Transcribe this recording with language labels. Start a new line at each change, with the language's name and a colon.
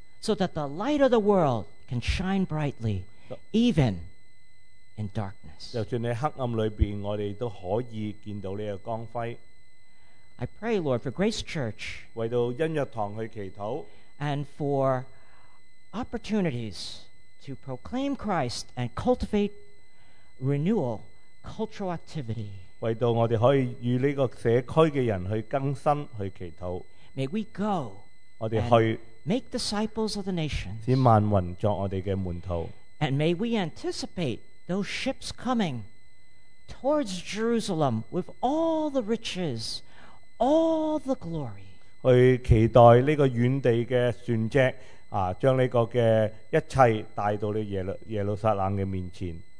English: So that the light of the world can shine brightly, even in darkness.
Chinese: 就算在黑暗里面，我们都可以见到这个光辉。
English: I pray, Lord, for Grace Church.
Chinese: 为到恩若堂去祈祷。
English: And for opportunities to proclaim Christ and cultivate renewal, cultural activity.
Chinese: 为到我们可以与这个社区的人去更新去祈祷。
English: May we go
Chinese: 我们去,
English: and make disciples of the nations.
Chinese: 使万民作我们的门徒。
English: And may we anticipate those ships coming towards Jerusalem with all the riches, all the glory.
Chinese: 去期待这个远地的船只、啊、将这个一切带到你耶路撒冷的面前。